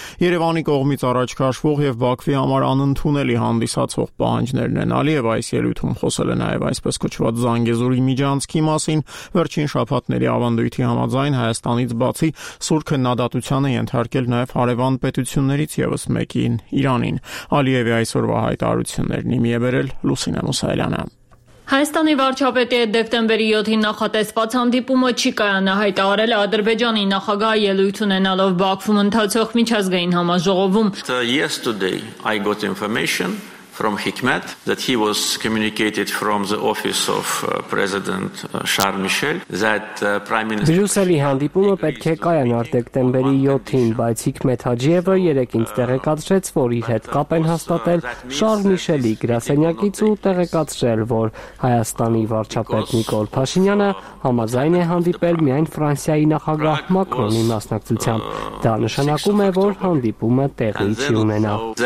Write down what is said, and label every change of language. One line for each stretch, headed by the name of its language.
Armenian: Երևանի կողմից առաջ քաշվող և Բաքվի համար անընդունելի հանդիսացող պահանջներն են։ Ալիևը այս ելույթում խոսել է նաև այսպես կոչված Զանգեզուրի միջանցքի մասին։ Վերջին շաբաթների ավանդույթի համաձայն Հայաստանից բացի սուր քննադատության են ենթարկել նաև հարևան պետություններից ևս մեկին՝ Իրանին։ Ալիևի այսօրվա հայտարարություններն իմ եբերել Լուսինե Մուսայելյանը։ Հայաստանի վարչապետի հետ դեկտեմբերի 7-ին նախատեսված հանդիպումը չի կայանա, հայտարարել Ադրբեջանի նախագահը ելույթ ունենալով Բաքվում ընթացող միջազգային համաժողովում։
English: Yesterday I got information from Hikmet that he was communicated from the office of President Charles Michel that Prime Minister
Armenian: Բրյուսելի հանդիպումը պետք է կայանար դեկտեմբերի 7-ին, բայց Հիքմետ Հաջիևը երեկին տեղեկացրեց, որ իր հետ կապ են հաստատել Շարլ Միշելի գրասենյակից ու տեղեկացրել, որ Հայաստանի վարչապետ Նիկոլ Փաշինյանը համաձայն է հանդիպել միայն Ֆրանսիայի նախագահ Մակրոնի մասնակցությամբ։ Դա նշանակում է, որ հանդիպումը տեղի չի ունենա։